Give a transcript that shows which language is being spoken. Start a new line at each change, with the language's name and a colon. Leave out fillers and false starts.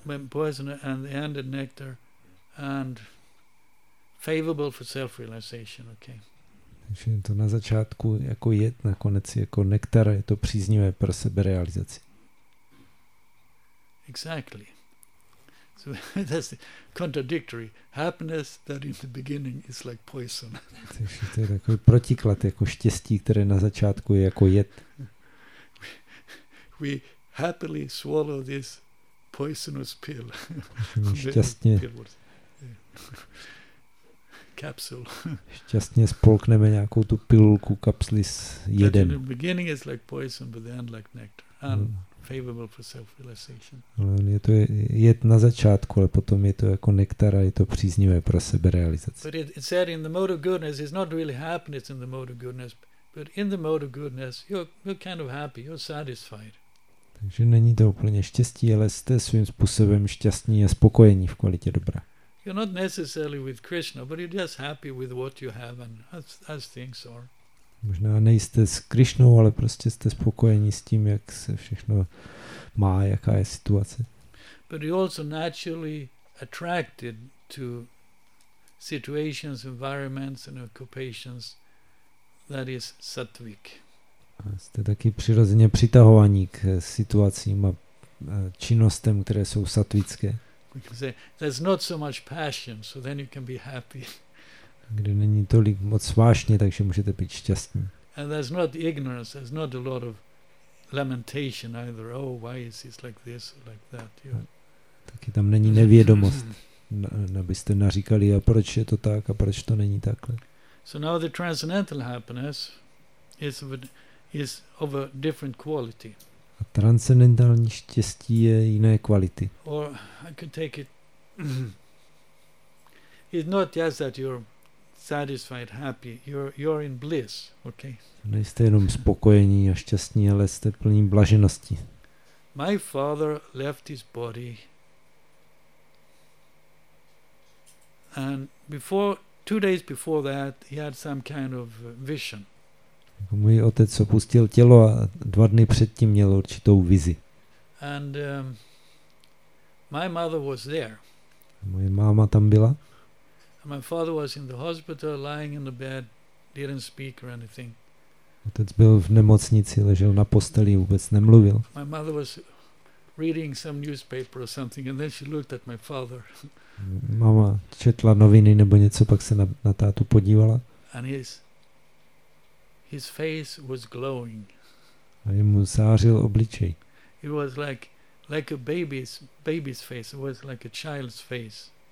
English: Poison and the end and nectar and favorable for self-realization, okay.
Czech: Takže to na začátku jako jed, na konec jako nektar, je to příznivé pro seberealizaci.
English: Exactly. So that's contradictory. Happiness that in the beginning is like poison.
Czech: Takže to je takový protiklad, jako štěstí, které na začátku je jako jed.
English: We happily swallow this poisonous pill.
Czech: Šťastně
English: capsule.
Czech: Šťastně spolkneme nějakou tu pilulku kapsly s jedem.
English: The beginning is like poison, but the end like nectar. And favorable for self-realization.
Czech: Je to jed na začátku, ale potom je to jako nektar a je to příznivé pro seberealizaci.
English: But it said in the mode of goodness, it's not really happiness in the mode of goodness, but in the mode of goodness, you're kind of happy, you're satisfied.
Czech: Takže není to úplně štěstí, ale jste svým způsobem šťastní a spokojení v kvalitě dobra.
English: You're not necessarily with Krishna, but you're just happy with what you have and as things are.
Czech: Možná nejste s Krishnou, ale prostě jste spokojení s tím, jak se všechno má, jaká je situace.
English: But you're also naturally attracted to situations, environments and occupations that is sattvic.
Czech: A jste taky přirozeně přitahovaní k situacím a činnostem, které jsou sattvické.
English: There's not so much passion, so then you can be happy.
Czech: Kde není tolik moc vášně, takže můžete být šťastní.
English: And there's not ignorance, there's not a lot of lamentation either. Oh, why is this like this or like that?
Czech: Taky tam není nevědomost, abyste naříkali, a proč je to tak a proč to není takhle.
English: So now the transcendental happiness is of a different quality.
Czech: A transcendentální štěstí je jiné kvality.
English: Or I could take it. It's not just that you're satisfied, happy. You're in bliss, okay?
Czech: Nejste jenom spokojení a šťastní, ale jste plní blaženosti.
English: My father left his body, and before 2 days before that, he had some kind of vision.
Czech: Můj otec opustil tělo a 2 dny předtím měl určitou vizi.
English: And my mother was there.
Czech: Moje máma tam byla.
English: And my father was in the hospital, lying in the bed, didn't speak or anything.
Czech: Otec byl v nemocnici, ležel na posteli, vůbec nemluvil.
English: My mother was reading some newspaper or something, and then she looked at my father.
Czech: Máma četla noviny nebo něco, pak se na tátu podívala.
English: And his face was glowing.
Czech: A jemu zářil obličej.
English: It was like a baby's face. It was like a child's face.